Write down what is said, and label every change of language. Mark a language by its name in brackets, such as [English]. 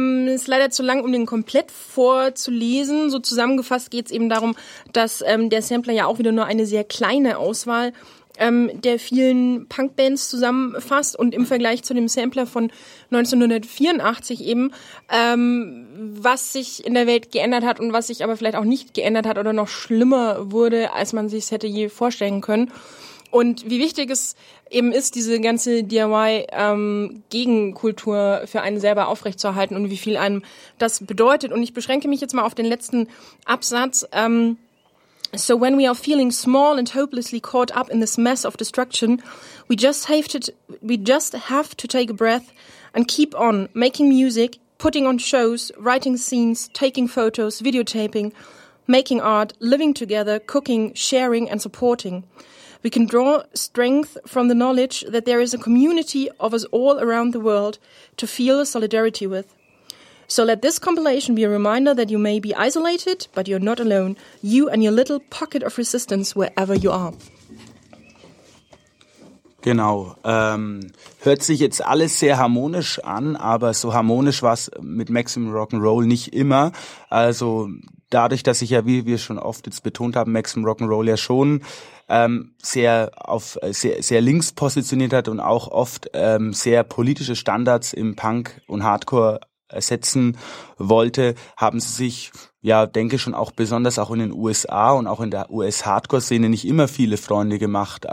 [German] Ist leider zu lang, um den komplett vorzulesen. So zusammengefasst geht es eben darum, dass der Sampler ja auch wieder nur eine sehr kleine Auswahl der vielen Punkbands zusammenfasst und im Vergleich zu dem Sampler von 1984 eben, was sich in der Welt geändert hat und was sich aber vielleicht auch nicht geändert hat oder noch schlimmer wurde, als man sich es hätte je vorstellen können. Und wie wichtig es eben ist, diese ganze DIY-Gegenkultur für einen selber aufrechtzuerhalten und wie viel einem das bedeutet. Und ich beschränke mich jetzt mal auf den letzten Absatz. [English] So when we are feeling small and hopelessly caught up in this mess of destruction, we just have to take a breath and keep on making music, putting on shows, writing scenes, taking photos, videotaping, making art, living together, cooking, sharing and supporting. We can draw strength from the knowledge that there is a community of us all around the world to feel solidarity with. So let this compilation be a reminder that you may be isolated, but you're not alone. You and your little pocket of resistance, wherever you are. [German] Genau. Hört sich jetzt alles sehr harmonisch an, aber so harmonisch war es mit Maximum Rock'n'Roll nicht immer. Also dadurch, dass ich ja, wie wir schon oft jetzt betont haben, Maximum Rock'n'Roll ja schon sehr links positioniert hat und auch oft sehr politische Standards im Punk und Hardcore ersetzen wollte, haben sie sich, ja, denke schon auch besonders auch in den USA und auch in der US-Hardcore-Szene nicht immer viele Freunde gemacht.